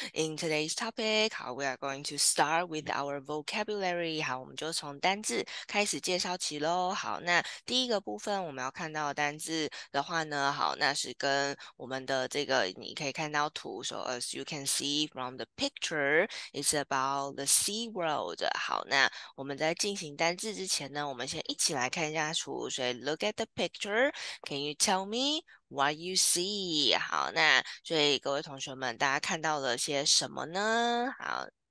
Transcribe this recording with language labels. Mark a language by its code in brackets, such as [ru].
[en] In today's topic, how we are going to start with our vocabulary. [zh] 好，我们就从单字开始介绍起喽。好，那第一个部分我们要看到的单字的话呢，好，那是跟我们的这个你可以看到图。 [en] So as you can see from the picture, it's about the sea world. [zh] 好，那我们在进行单字之前呢，我们先一起来看一下图。 [en] 所以 look at the picture. Can you tell me? What you see? [zh] 好，那所以各位同学们，大家看到了些什么呢？好，